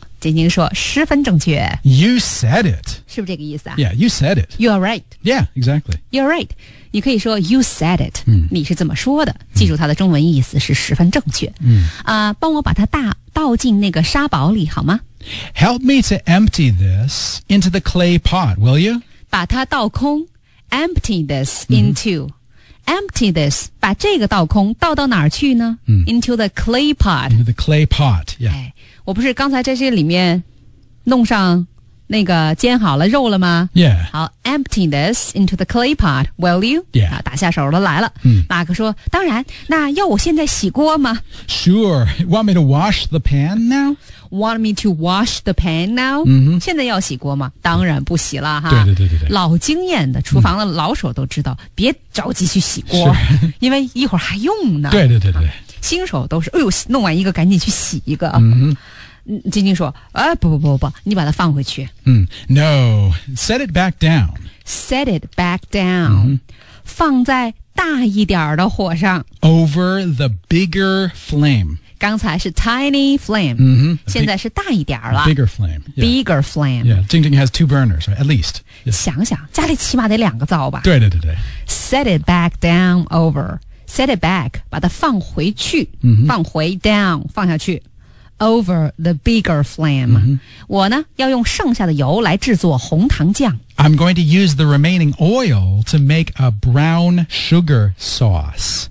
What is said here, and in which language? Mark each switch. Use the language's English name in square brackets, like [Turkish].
[Chinese] 晶晶说十分正确。 [English] You said it， [Chinese] 是不是这个意思啊 [English] ？Yeah， you said it。 You are right。 Yeah， exactly。 You are right。 [Chinese] 你可以说 [English] you said it、嗯。 [Chinese] 你是怎么说的？记住它的中文意思是十分正确。帮我把它倒进那个沙堡里好吗 [English] ？Help me to empty this into the clay pot, will you？ [Chinese] 把它倒空 ， [English] empty this into、 [Chinese] 嗯。 [English] Empty this, [Chinese] 把这个倒空倒到哪儿去呢、 [English] Into the clay pot. Into the clay pot, yeah.、 [Chinese] 哎、我不是刚才在这里面弄上那个煎好了肉了吗 [English] Yeah. 好 ,empty this into the clay pot, will you? Yeah. [Chinese] 打下手了来了。马克说当然那要我现在洗锅吗 [English] Sure. Want me to wash the pan now? Want me to wash the pan now?、 Mm-hmm. [Chinese] 现在要洗锅吗当然不洗了哈。对对对对。老经验的厨房的老手都知道、别着急去洗锅。 [English] Sure. [Chinese] 因为一会儿还用呢。对对对对。新手都是哎呦弄完一个赶紧去洗一个。晶晶说、不你把它放回去、 [English] No, set it back down Set it back down、 [Chinese] 放在大一点的火上 [English] Over the bigger flame [Chinese] 刚才是 [English] tiny flame,、 mm-hmm. [Chinese] 现在是大一点了。 [English] Bigger flame.、Yeah. Bigger flame. Yeah, Jing Jing has two burners, right? At least.、 Yes. [Chinese] 想想家里起码得两个灶吧。对对对对。 [English] Set it back down over. Set it back, [Chinese] 把它放回去、 mm-hmm. 放回 down, 放下去。 [English] Over the bigger flame.、 Mm-hmm. [Chinese] 我呢要用剩下的油来制作红糖酱。 [English] I'm going to use the remaining oil to make a brown sugar sauce.